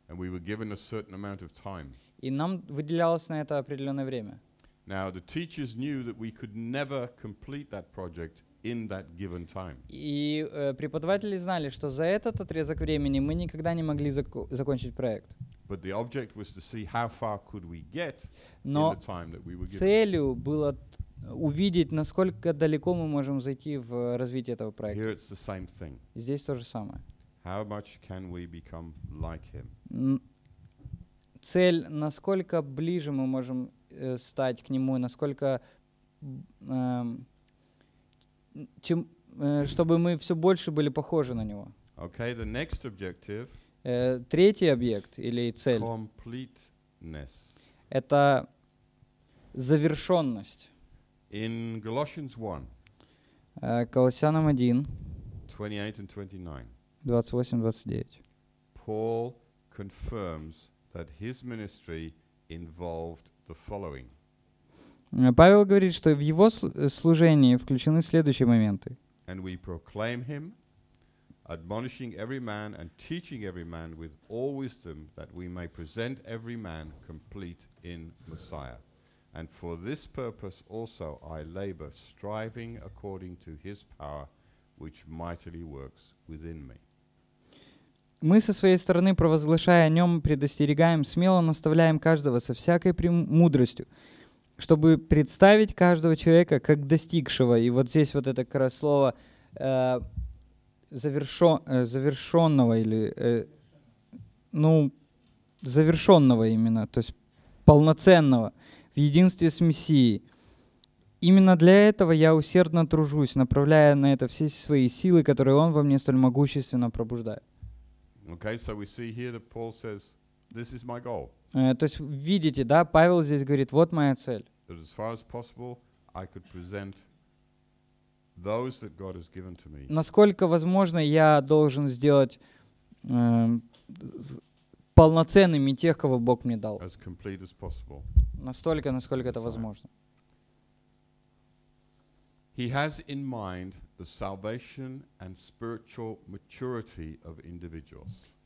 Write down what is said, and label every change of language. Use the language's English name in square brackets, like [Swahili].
[English] And we were given a certain amount of time. [Russian] И нам выделялось на это определенное время. [English] Now the teachers knew that we could never complete that project in that given time. [Russian] И преподаватели знали, что за этот отрезок времени мы никогда не могли закончить проект. [English] But the object was to see how far could we get in the time that we were given. [Russian] Целью было увидеть, насколько далеко мы можем зайти в развитии этого проекта. [English] Here it's the same thing. [Russian] Здесь то же самое. [English] How much can we become like him? [Russian] Цель, насколько ближе мы можем стать к нему, насколько чтобы мы все больше были похожи на него. [English] Okay, the next objective. [Russian] Третий объект или цель. [English] Completeness. [Russian] Это завершенность. [English] In Galatians 1. [Russian] Колоссянам 1. [English] 28 and 29. [Russian] 28-29. [English] Paul confirms that his ministry involved the following. [Russian] Павел говорит, что в его служении включены следующие моменты. [English] And we proclaim him, admonishing every man and teaching every man with all wisdom, that we may present every man complete in Messiah. And for this purpose also I labor, striving according to his power, which mightily works within me. [Russian] Мы со своей стороны, провозглашая о нем, предостерегаем, смело наставляем каждого со всякой премудростью, чтобы представить каждого человека как достигшего. И вот здесь вот это как раз слово завершенного или завершенного именно, то есть полноценного в единстве с Мессией. Именно для этого я усердно тружусь, направляя на это все свои силы, которые он во мне столь могущественно пробуждает. [English] Okay, so we see here that Paul says, This is my goal. [Russian] То есть видите, да, Павел здесь говорит, вот моя цель. [English] As far as possible, I could present those that God has given to me. [Russian] Насколько возможно, я должен сделать полноценными тех, кого Бог мне дал. [English] As complete as possible. [Russian] Настолько, насколько это возможно. [English] He has in mind the salvation and spiritual maturity of individuals.